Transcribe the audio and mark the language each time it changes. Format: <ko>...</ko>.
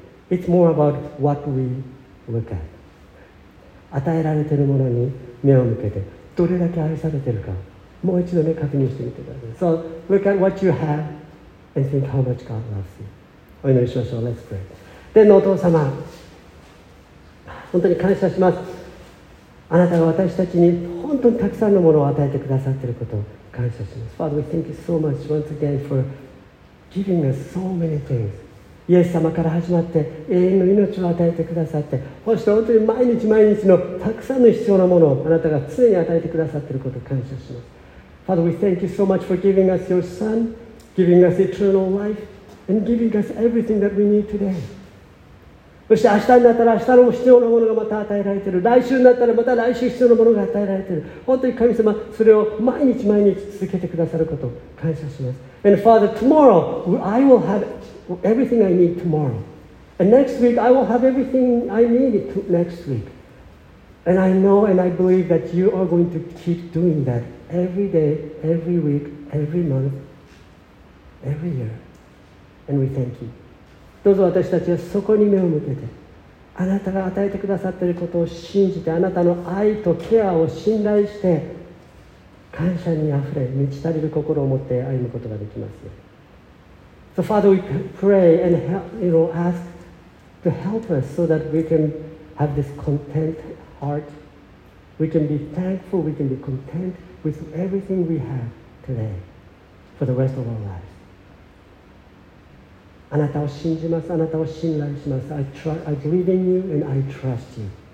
<en>It's more about what we look at.</en> <ja>与えられているものに目を向けて、どれだけ愛されてるか、もう一度ね、確認してみてください。</ja> <en>So, look at what you have and think how much God loves you.</en> <ja>お祈りしましょう。</ja> <en>Let's pray.</en> <ja>天のお父様、本当に感謝します。あなたが私たちに本当にたくさんのものを与えてくださっていることを感謝します。</ja> <en>Father, we thank you so much once again for giving us so many things.</en> <ja>イエス様から始まって永遠の命を与えてくださって、そして本当に毎日毎日のたくさんの必要なものをあなたが常に与えてくださっていることを感謝します。</ja> <en>Father, we thank you so much for giving us your son, giving us eternal life, and giving us everything that we need today.</en> <ja>そして明日になったら明日の必要なものがまた与えられている、来週になったらまた来週必要なものが与えられている。本当に神様、それを毎日毎日続けてくださることを感謝します。</ja> <en>And Father, tomorrow I will haveEverything I need tomorrow. And next week, I will have everything I need to next week. And I know and I believe that you are going to keep doing that every day, every week, every month, every year. And we thank you.</en> <ja>どうぞ私たちはそこに目を向けて、あなたが与えてくださっていることを信じて、あなたの愛とケアを信頼して、感謝にあふれ、満ち足りる心を持って歩むことができますよ。</ja> <en>So Father, we pray and help, you know, ask to help us so that we can have this content heart. We can be thankful, we can be content with everything we have today for the rest of our lives.</en> <ja>あなたを信じます。あなたを信頼します。</ja> <en>I believe in you and I trust you.</en>